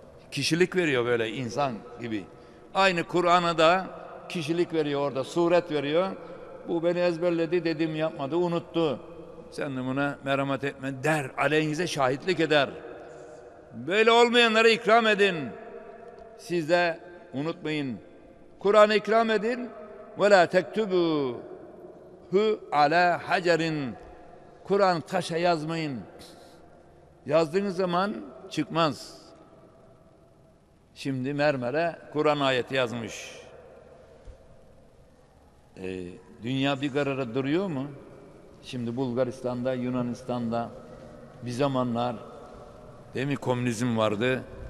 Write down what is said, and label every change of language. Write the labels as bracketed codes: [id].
[tr] Kişilik veriyor böyle insan gibi. Aynı Kur'an'a da kişilik veriyor orada, suret veriyor. Bu beni ezberledi, dediğimi yapmadı, unuttu. Sen de buna merhamet etme der, aleyhinize şahitlik eder. Böyle olmayanlara ikram edin. Siz de unutmayın. Kur'an'a ikram edin. [ar] وَلَا تَكْتُبُهُ عَلَى حَجَرٍ [tr] Kur'an taşa yazmayın. Yazdığınız zaman çıkmaz. Şimdi mermere Kur'an ayeti yazmış. Dünya bir karara duruyor mu? Şimdi Bulgaristan'da, Yunanistan'da bir zamanlar değil mi komünizm vardı?